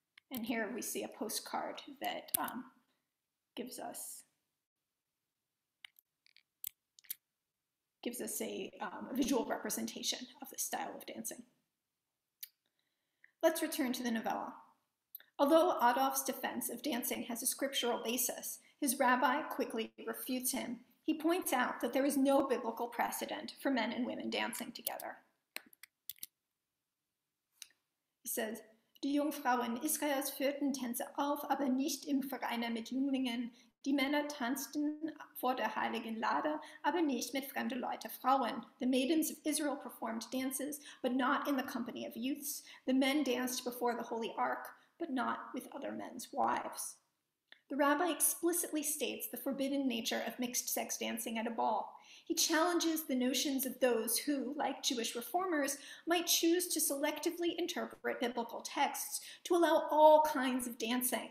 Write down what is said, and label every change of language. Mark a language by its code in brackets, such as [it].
[en] And here we see a postcard that gives us a visual representation of this style of dancing. Let's return to the novella. Although Adolf's defense of dancing has a scriptural basis, his rabbi quickly refutes him. He points out that there is no biblical precedent for men and women dancing together. He says, [de] die Jungfrauen Israels führten Tänze auf, aber nicht im Vereine mit Jünglingen. Die Männer tanzten vor der heiligen Lade, aber nicht mit fremde Leute Frauen. [en] The maidens of Israel performed dances, but not in the company of youths. The men danced before the holy ark, but not with other men's wives. The rabbi explicitly states the forbidden nature of mixed sex dancing at a ball. He challenges the notions of those who, like Jewish reformers, might choose to selectively interpret biblical texts to allow all kinds of dancing.